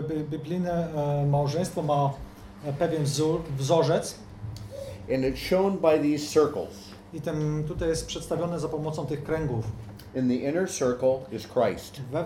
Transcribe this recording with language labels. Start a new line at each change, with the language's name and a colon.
Polish: Biblijne małżeństwo ma pewien wzorzec.
English: And it's shown by these circles.
Polish: I ten tutaj jest przedstawione za pomocą tych kręgów.
English: In the inner circle is Christ.